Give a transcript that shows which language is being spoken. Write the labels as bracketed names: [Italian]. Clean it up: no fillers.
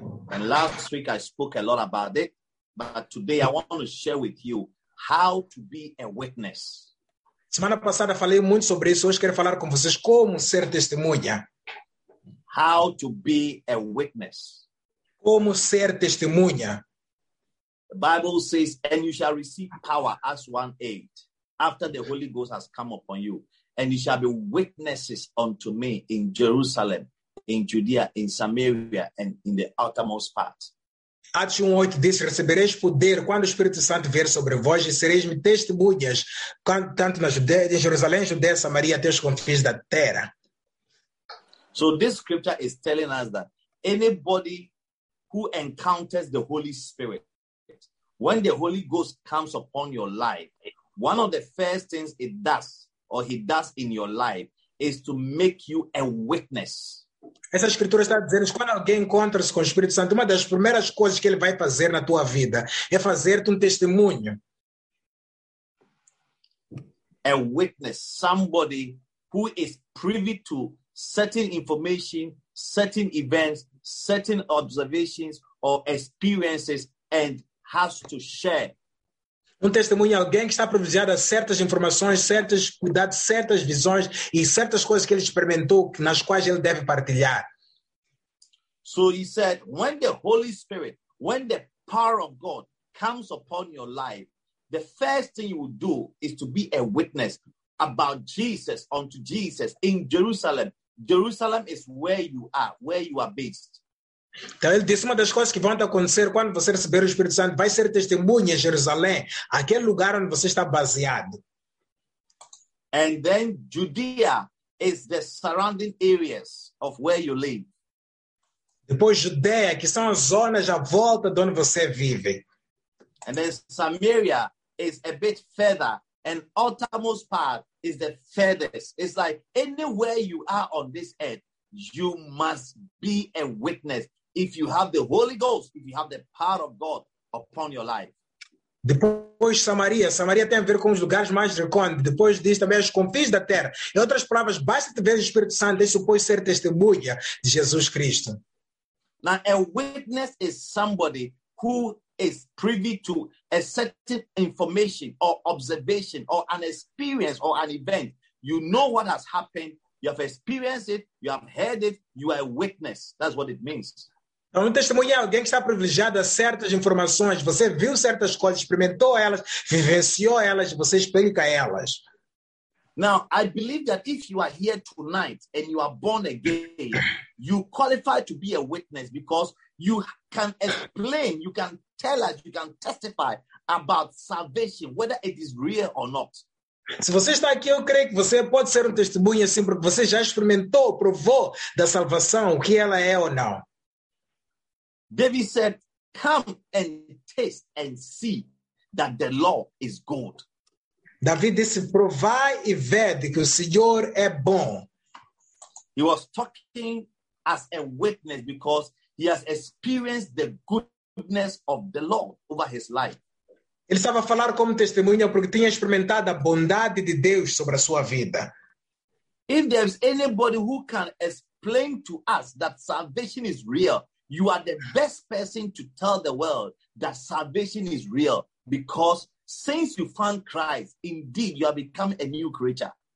[English] And last week I spoke a lot about it, but today I want to share with you how to be a witness. [Portuguese] Semana passada falei muito sobre isso, hoje quero falar com vocês como ser testemunha. [English] How to be a witness. [Portuguese] Como ser testemunha. [English] The Bible says, and you shall receive power, Acts 1:8, after the Holy Ghost has come upon you, and you shall be witnesses unto me in Jerusalem, in Judea, in Samaria, and in the outermost part. [Portuguese] Atos 1:8 diz, recebereis poder quando o Espírito Santo vier sobre vós e sereis-me testemunhas, tanto na Judeia, em Jerusalém, Judeia, Samaria, até os confins da terra. [English] So this scripture is telling us that anybody who encounters the Holy Spirit, when the Holy Ghost comes upon your life, one of the first things it does, or he does in your life, is to make you a witness. [Portuguese] Essa escritura está dizendo que quando alguém encontra-se com o Espírito Santo, uma das primeiras coisas que ele vai fazer na tua vida é fazer-te testemunho. [English] A witness, somebody who is privy to certain information, certain events, certain observations or experiences and has to share. [Portuguese] Testemunho é alguém que está privilegiado a certas informações, certos cuidados, certas visões e certas coisas que ele experimentou, nas quais ele deve partilhar. [English] So he said, when the Holy Spirit, when the power of God comes upon your life, the first thing you will do is to be a witness about Jesus, unto Jesus in Jerusalem. Jerusalem is where you are, where you are based. [Portuguese] Então ele disse, uma das coisas que vão te acontecer quando você receber o Espírito Santo, vai ser testemunha em Jerusalém, aquele lugar onde você está baseado. [English] And then Judea is the surrounding areas of where you live. [Portuguese] Depois Judeia, que são as zonas à volta de onde você vive. [English] And then Samaria is a bit further, and outermost part is the furthest. It's like anywhere you are on this earth, you must be a witness. If you have the Holy Ghost, if you have the power of God upon your life. [Portuguese] Depois Samaria. Samaria tem a ver com os lugares mais recônditos. Depois diz também os confins da terra. Em outras palavras, basta te ver o Espírito Santo, isso pode ser testemunha de Jesus Cristo. [English] Now, a witness is somebody who is privy to a certain information or observation or an experience or an event. You know what has happened. You have experienced it. You have heard it. You are a witness. That's what it means. [Portuguese] Testemunho é alguém que está privilegiado a certas informações. Você viu certas coisas, experimentou elas, vivenciou elas, você explica elas. [English] Now, I believe that if you are here tonight and you are born again, you qualify to be a witness because you can explain, you can tell us, you can testify about salvation, whether it is real or not. [Portuguese] Se você está aqui, eu creio que você pode ser testemunho assim, porque você já experimentou, provou da salvação, o que ela é ou não. [English] David said, come and taste and see that the Lord is good. [Portuguese] David disse, provai e vede que o Senhor é bom. [English] He was talking as a witness because he has experienced the goodness of the Lord over his life. [Portuguese] Ele estava a falar como testemunha porque tinha experimentado a bondade de Deus sobre a sua vida. [English] If there is anybody who can explain to us that salvation is real, you are the best person to tell the world that salvation is real because since you found Christ, indeed, you have become a new creature.